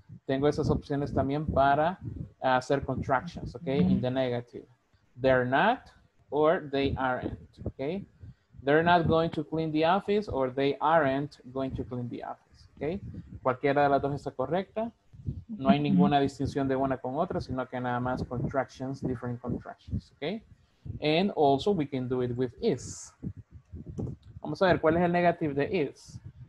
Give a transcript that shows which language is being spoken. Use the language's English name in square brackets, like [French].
[Spanish] Tengo esas opciones también para hacer contractions, okay? [English] Mm-hmm. In the negative. They're not or they aren't, okay? They're not going to clean the office or they aren't going to clean the office, okay? [Spanish] Cualquiera de las dos está correcta. No hay ninguna distinción de una con otra, sino que nada más contractions, different contractions, okay? [English] And also we can do it with is. [Spanish] Vamos a ver, ¿cuál es el negative de is?